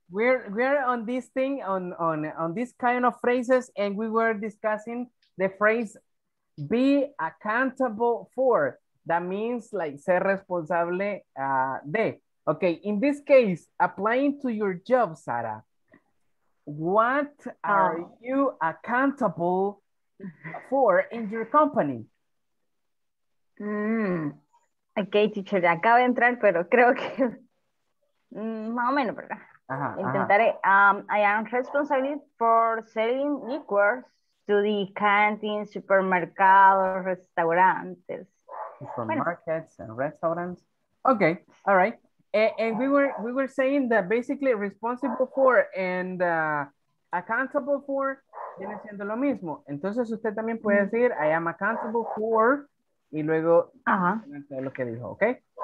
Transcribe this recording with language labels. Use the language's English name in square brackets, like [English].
[English] We're on this thing on this kind of phrases, and we were discussing the phrase "be accountable for." That means like [Spanish] ser responsable de. [English] Okay, in this case, applying to your job, Sara, what are you accountable for in your company? [Spanish] Okay, teacher, acabo de entrar, pero creo que más o menos, ¿verdad? Intentaré. [English] I am responsible for selling liquors to the canteen, [Spanish] supermercados, restaurantes. [English] Supermarkets and restaurants. Okay, all right. And we were saying that basically responsible for and accountable for [Spanish] viene siendo lo mismo. Entonces usted también puede decir [English] I am accountable for [Spanish] y luego lo que dijo, okay?